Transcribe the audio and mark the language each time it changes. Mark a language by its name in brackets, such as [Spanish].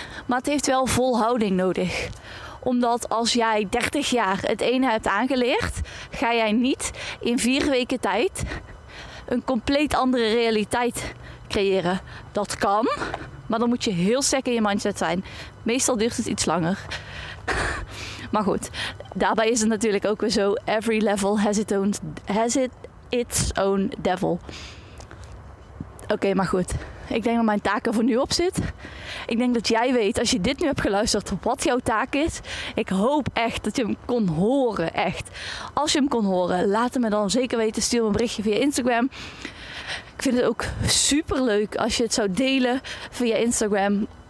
[Dutch] Maar het heeft wel volhouding nodig. Omdat als jij 30 jaar het ene hebt aangeleerd, ga jij niet in 4 weken tijd een compleet andere realiteit creëren. Dat kan, maar dan moet je heel sterk in je mindset zijn. Meestal duurt het iets langer. Maar goed, daarbij is het natuurlijk ook weer zo. [English] Every level has its own devil. [Dutch] Oké, maar goed. Ik denk dat mijn taak er voor nu op zit. Ik denk dat jij weet, als je dit nu hebt geluisterd, wat jouw taak is. Ik hoop echt dat je hem kon horen, echt. Als je hem kon horen, laat het me dan zeker weten. Stuur me een berichtje via Instagram. Ik vind het ook super leuk als je het zou delen via Instagram.